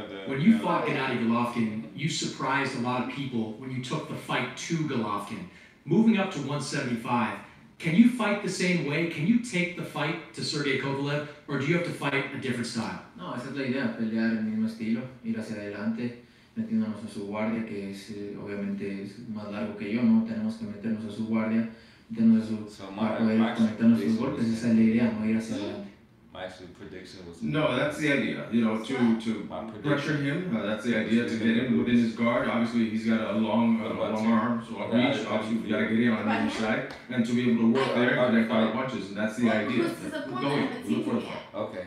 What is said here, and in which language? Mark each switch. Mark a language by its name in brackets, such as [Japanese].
[English] When you fought Gennady Golovkin, you surprised a lot of people when you took the fight to Golovkin. Moving up to 175, can you fight the same way? Can you take the fight to Sergey Kovalev, or do you have to fight a different style? [Spanish] No, esa es la idea, pelear el mismo estilo, ir hacia adelante, metiéndonos a su guardia, que es obviamente es más largo que yo, ¿no? Tenemos que meternos a su guardia, meternos a su para poder conectarnos a sus golpes. Esa es la idea, no ir hacia adelante. [English] My actual prediction was... No, that's the idea, you know, to pressure him. That's the idea, to get him within his guard. Obviously, he's got a long arm, so a reach. Obviously, we got to get him on the other side. And to be able to work there, identify the punches, and that's the idea. Going, look for the part. Okay.